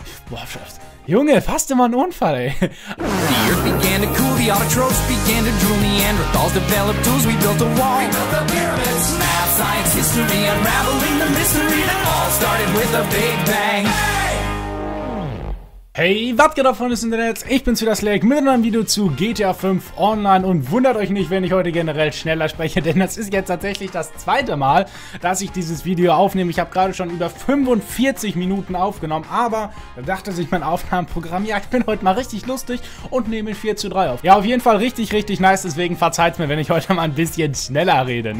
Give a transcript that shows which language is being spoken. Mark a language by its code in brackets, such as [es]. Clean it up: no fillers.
[de] Boah, Junge, fast immer ein Unfall, ey. [en] The earth began to cool, the autotrophs began to drool, Neanderthals developed tools, we built a wall. We built the pyramids, math, science, history, unraveling the mystery that all started with a big bang. [de] Hey, was geht ab, Freunde des Internets? Ich bin's wieder, Slack, mit einem Video zu GTA 5 Online und wundert euch nicht, wenn ich heute generell schneller spreche, denn das ist jetzt tatsächlich das zweite Mal, dass ich dieses Video aufnehme. Ich habe gerade schon über 45 Minuten aufgenommen, aber da dachte sich mein Aufnahmeprogramm, ja, ich bin heute mal richtig lustig und nehme 4:3 auf. Ja, auf jeden Fall richtig, richtig nice, deswegen verzeiht's mir, wenn ich heute mal ein bisschen schneller rede.